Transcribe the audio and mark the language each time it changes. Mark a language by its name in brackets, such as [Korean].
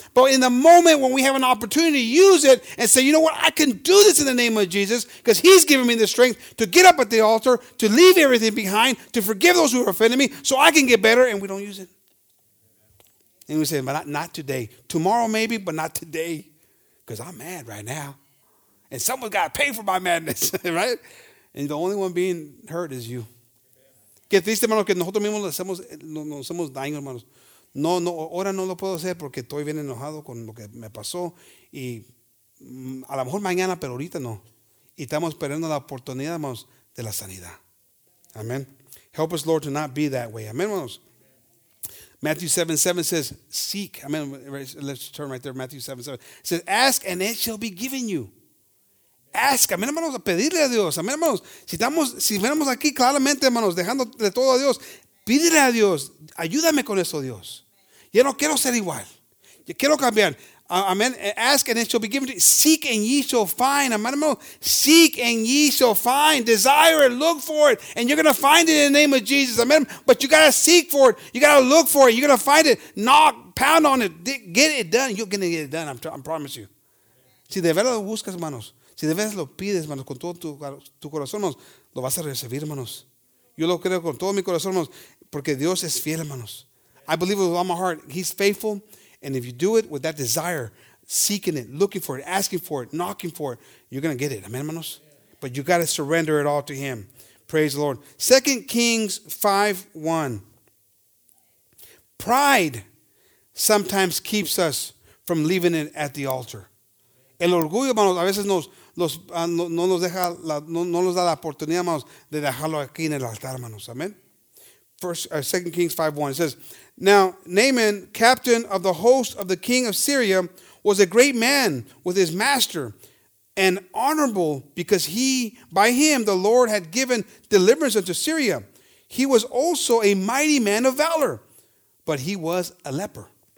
[English] But in the moment when we have an opportunity to use it and say, you know what, I can do this in the name of Jesus because He's given me the strength to get up at the altar, to leave everything behind, to forgive those who offended me so I can get better, and we don't use it. And we say, but not today. Tomorrow maybe, but not today. Because I'm mad right now. And someone's got to pay for my madness, right? And the only one being hurt is you. [Spanish] Que triste, hermano, que nosotros mismos nos hacemos daño, hermanos. No, no, ahora no lo puedo hacer porque estoy bien enojado con lo que me pasó. Y a lo mejor mañana, pero ahorita no. Y estamos perdiendo la oportunidad, hermanos, de la sanidad. [English] Amen. Help us, Lord, to not be that way. Amen, hermanos. Matthew 7:7 says, seek. I mean, let's turn right there. Matthew 7:7 says, ask and it shall be given you. [Spanish] Ask. Amén, hermanos, a pedirle a Dios. Amén, hermanos. Si venimos aquí claramente, hermanos, dejándole todo a Dios, pídele a Dios, ayúdame con eso, Dios. Yo no quiero ser igual. Yo quiero cambiar. Amén. [English] Ask and it shall be given to you. Seek and ye shall find. Amén, hermanos. Seek and ye shall find. Desire it. Look for it. And you're going to find it in the name of Jesus. Amén. But you got to seek for it. You got to look for it. You're going to find it. Knock, pound on it. Get it done. You're going to get it done. I promise you. [Spanish] Si de verdad lo buscas, hermanos. Si de verdad lo pides, hermanos, con todo tu corazón, hermanos, lo vas a recibir, hermanos. Yo lo creo con todo mi corazón, hermanos. Porque Dios es fiel, hermanos. [English] I believe with all my heart. He's faithful. And if you do it with that desire, seeking it, looking for it, asking for it, knocking for it, you're going to get it. Amen, hermanos? But you got to surrender it all to Him. Praise the Lord. 2 Kings 5:1. Pride sometimes keeps us from leaving it at the altar. [Spanish] El orgullo, hermanos, a veces no nos da la oportunidad, hermanos, de dejarlo aquí en el altar, hermanos. [English] Amen. 2 Kings 5:1, it says, now Naaman, captain of the host of the king of Syria, was a great man with his master and honorable because by him the Lord had given deliverance unto Syria. He was also a mighty man of valor, but he was a leper.